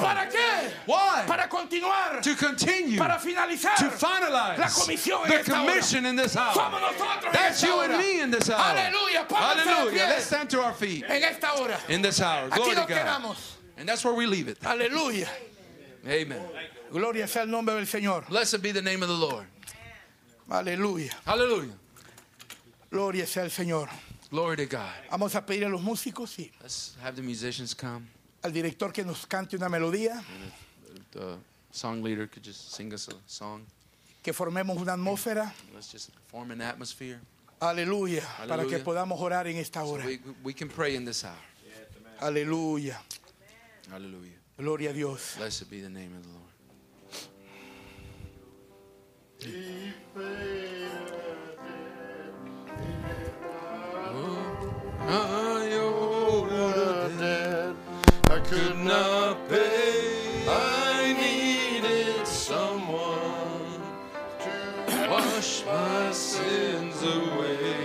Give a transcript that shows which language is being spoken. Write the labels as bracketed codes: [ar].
[es] ¿Para qué? [en] Why? [es] Para continuar. [en] To continue. [es] Para finalizar. [en] To finalize. [es] La comisión en esta hora. [en] The commission in this house. [es] Somos nosotros. [en] That's you and me in this house. [es] Aleluya. [en] Hallelujah. Let's stand to our feet. [es] En esta hora. [en] In this hour. Glory [es] aquí [en] to God. [es] Quedamos. [en] And that's where we leave it. [es] Aleluya. [en] Amen. [es] Gloria sea el nombre del Señor. [en] Blessed be the name of the Lord. [es] Aleluya. [en] Hallelujah. [es] Gloria sea el Señor. [en] Glory to God. [es] Vamos a pedir a los músicos, sí. [en] Let's have the musicians come. [es] Al director que nos cante una melodía. [en] The song leader could just sing us a song. [es] Que formemos una atmósfera. [en] Let's just form an atmosphere. [es] Aleluya, para que podamos orar en esta hora. [en] So we can pray in this hour. Yes, [es] aleluya. Aleluya. Gloria a Dios. [en] Blessed be the name of the Lord. I owed a debt I could not pay. I needed someone to wash my sins away.